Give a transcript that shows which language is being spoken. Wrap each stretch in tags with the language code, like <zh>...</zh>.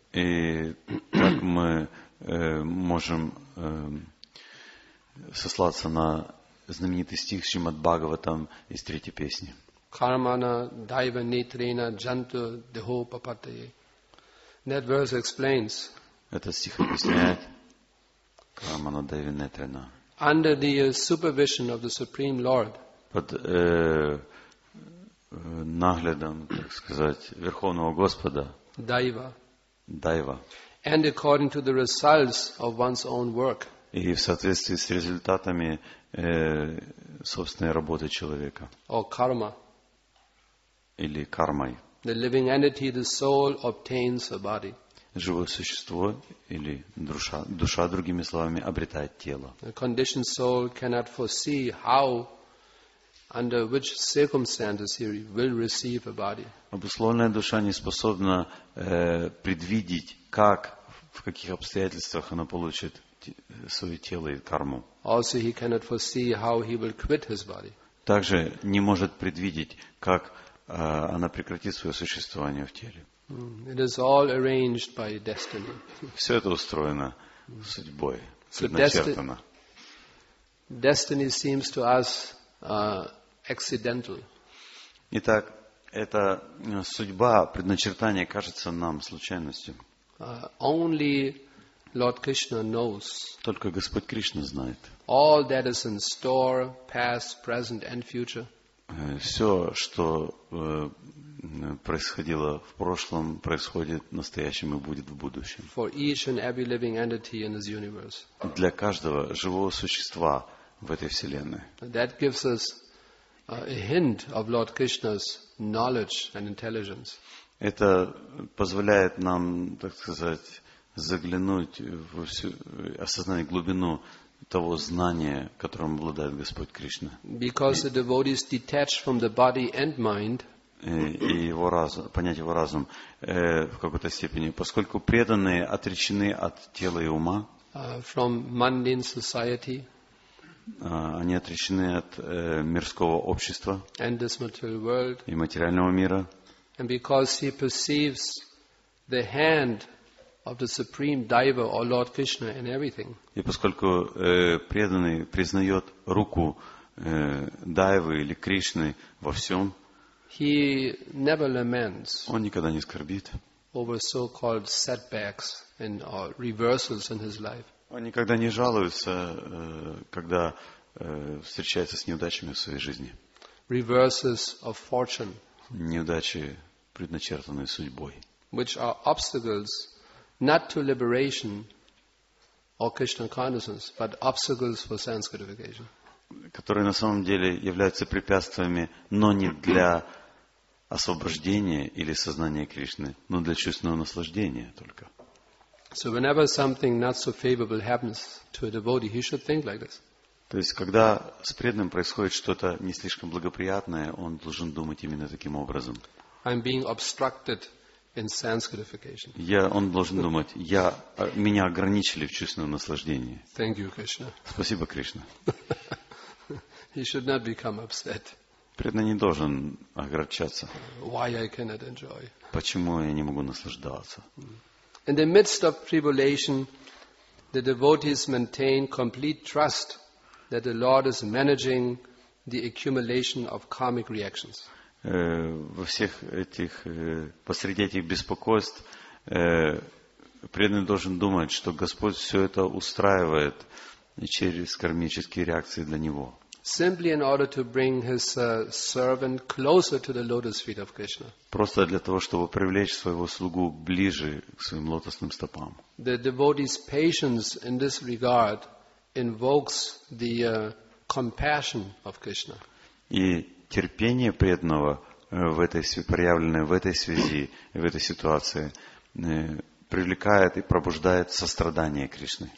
<ru>И так мы можем сослаться на знаменитый стих Шримад Бхагаватам из третьей песни.</ru> <sa>Кармана дайва нетрена джанту дехо папатайе.</sa> <en>That verse explains.</en> <ru>Этот стих объясняет.</ru> <sa>Кармана дайва нетрена.</sa> <en>Under the supervision of the Supreme Lord.</en> <ru>Под наглядом, так сказать, Верховного Господа.</ru> <sa>Дайва. Дайва.</sa> <en>And according to the results of one's own work.</en> <ru>И в соответствии с результатами собственной работы человека.</ru> <en>Or karma.</en> <ru>Или кармой.</ru> <en>The living entity, the soul, obtains a body.</en> <ru>Живое существо или душа, другими словами, обретает тело.</ru> <en>A conditioned soul cannot foresee how, under which circumstances he will receive a body.</en> <ru>Обусловленная душа не способна предвидеть, как, в каких обстоятельствах она получит свое тело и карму.</ru> <en>Also he cannot foresee how he will quit his body.</en> <ru>Также не может предвидеть, как она прекратит свое существование в теле.</ru> <en>It is all arranged by destiny.</en> <ru>Все это устроено судьбой, предначертано.</ru> <en>Destiny seems to us accidental.</en> <ru>Итак, эта судьба, предначертание кажется нам случайностью.</ru> <en>Only Lord Krishna knows.</en> <ru>Только Господь Кришна знает.</ru> <en>All that is in store, past, present and future.</en> <ru>Все, что происходило в прошлом, происходит в настоящем и будет в будущем.</ru> <en>For each and every living entity in this universe.</en> <ru>Для каждого живого существа в этой вселенной.</ru> <en>That gives us a hint of Lord Krishna's knowledge and intelligence.</en> <ru>Это позволяет нам, так сказать, заглянуть в всю, осознать глубину того знания, которым обладает Господь Кришна.</ru> <en>Because the devotee is detached from the body and mind.</en> <ru>И его разум, понять его разум в какой-то степени, поскольку преданные отречены от тела и ума.</ru> <en>From mundane society.</en> <ru>Они отречены от мирского общества</ru> <en>and this material world,</en> <ru>и материального мира.</ru> <en>And because he perceives the hand of the supreme diver or Lord Krishna in everything.</en> <ru>И поскольку преданный признает руку дайвы или Кришны во всем,</ru> <en>he never laments.</en> <ru>Он никогда не скорбит.</ru> <en>Over so-called setbacks and or reversals in his life.</en> <ru>Он никогда не жалуется, когда встречается с неудачами в своей жизни.</ru> <en>Reverses of fortune.</en> <ru>Неудачи, предначертанные судьбой.</ru> <en>Which are obstacles not to liberation or Krishna consciousness, but obstacles for sense gratification.</en> <ru>Которые на самом деле являются препятствиями, но не для освобождения или сознания Кришны, но для чувственного наслаждения только.</ru> <en>So whenever something not so favorable happens to a devotee, he should think like this.</en> <ru>То есть, когда с преданным происходит что-то не слишком благоприятное, он должен думать именно таким образом.</ru> <en>I'm being obstructed in sense gratification.</en> <ru>Он должен думать, меня ограничили в чувственном наслаждении.</ru> <en>Thank you, Krishna.</en> <ru>Спасибо, Кришна.</ru> <en>He should not become upset.</en> <ru>Преданный не должен огорчаться.</ru> <en>Why I cannot enjoy?</en> <ru>Почему я не могу наслаждаться?</ru> <en>In the midst of tribulation, the devotees maintain complete trust that the Lord is managing the accumulation of karmic reactions.</en> <ru>Во всех этих, посреди этих беспокойств, преданный должен думать, что Господь все это устраивает через кармические реакции для него.</ru> <en>Simply in order to bring his servant closer to the lotus feet of Krishna.</en> <ru>Просто для того, чтобы привлечь своего слугу ближе к своим лотосным стопам.</ru> <en>The devotee's patience in this regard invokes the compassion of Krishna.</en> <ru>И терпение преданного в этой, проявленное в этой связи, в этой ситуации, привлекает и пробуждает сострадание Кришны.</ru>